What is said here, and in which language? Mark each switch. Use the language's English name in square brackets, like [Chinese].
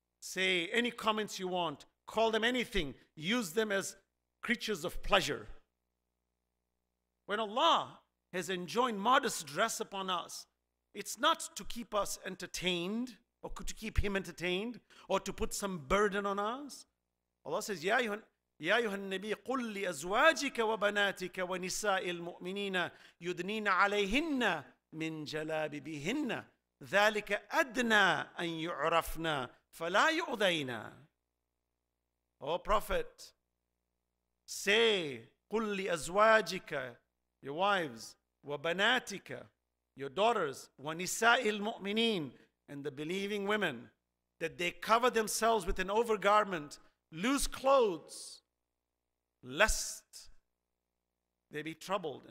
[English] Say any comments you want. Call them anything. Use them as creatures of pleasure. When Allah has enjoined modest dress upon us, it's not to keep us entertained, or to keep him entertained, or to put some burden on us. Allah says, [Arabic] يا أيها النبي قل لأزواجك وبناتك ونساء المؤمنين يدنين عليهن من جلابيبهن ذلك أدنى أن يعرفن فلا يؤذين. [English] O Prophet, say, [Arabic] قل لأزواجك, [English] your wives, [Arabic] وبناتك, [English] your daughters, [Arabic] ونساء المؤمنين, [English] and the believing women, that they cover themselves with an overgarment, loose clothes, lest they be troubled.